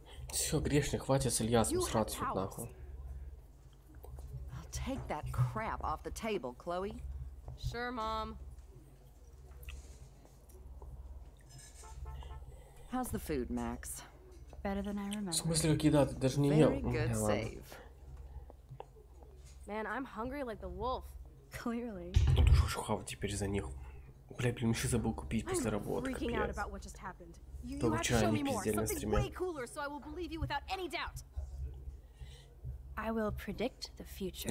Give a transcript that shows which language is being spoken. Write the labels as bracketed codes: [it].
[ru] Все, грешник, хватит с Ильясом сраться нахуй. [en] I'll take that crap off the table, Chloe. Sure, Mom. How's the food, Max? Better than I remember. [ru] В смысле, как еда? Ты даже не ел. [en] Very good save. Man, I'm hungry like the wolf. Clearly. [ru] Тут уже хавать теперь за них. Блин, еще забыл купить после работы, капец. [en] I'm freaking out about what just happened. You have to show me more. Something way cooler, so I will believe you without any doubt. I will predict the future.